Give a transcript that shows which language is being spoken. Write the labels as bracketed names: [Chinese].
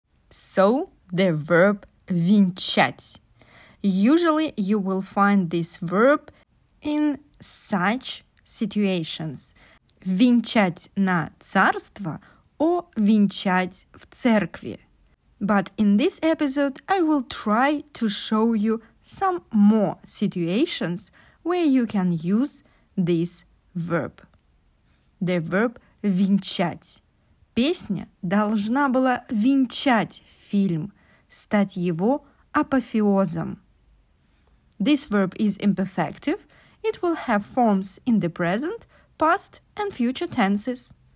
[English] So, the verb венчать. Usually, you will find this verb in such situations. [Russian] Венчать на царство or венчать в церкви. [English] But in this episode, I will try to show you some more situations where you can use this verb. The verb венчать. [Russian] Песня должна была венчать фильм, стать его апофеозом. [English] This verb is imperfective. It will have forms in the present, past and future tenses.